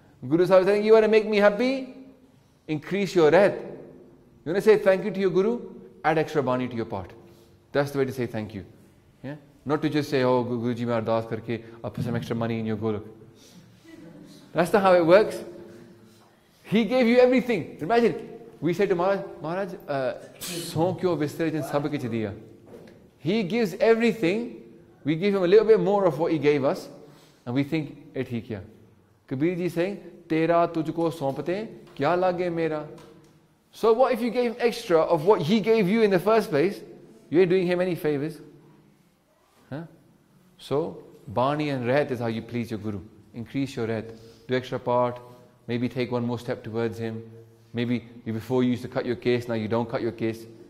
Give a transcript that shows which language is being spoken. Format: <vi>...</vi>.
<en>Guru Sahib is saying, you want to make me happy? Increase your rehat. You want to say thank you to your guru? Add extra bani to your part. That's the way to say thank you. Yeah? Not to just say, oh, Guruji,</en> <pa>main ardaas karke,</pa> <en>I'll put some extra money in your goluk. That's not how it works. He gave you everything. Imagine, we say to Maharaj,</en> <pa>"Sohan ਕਿਓ ਵਿਸਤਾਰੇ ਜਿਨ ਸਭ ਕਿਛ ਦੀਆ."</pa> <en>He gives everything. We give him a little bit more of what he gave us, and we think,</en> <pa>"Eh, theek hai." ਕਬੀਰਜੀ</pa> <en>saying,</en> <pa>"ਤੇਰਾ ਤੁਝਕੋ ਸੌਂਪਤੇ ਕਿਆ ਲਾਗੇ ਮੇਰਾ?"</pa> <en>So what if you gave extra of what he gave you in the first place? You ain't doing him any favors. Huh? So, bani and rehat is how you please your guru. Increase your rehat. Do extra part. Maybe take one more step towards him. Maybe before you used to cut your case, now you don't cut your case.</en>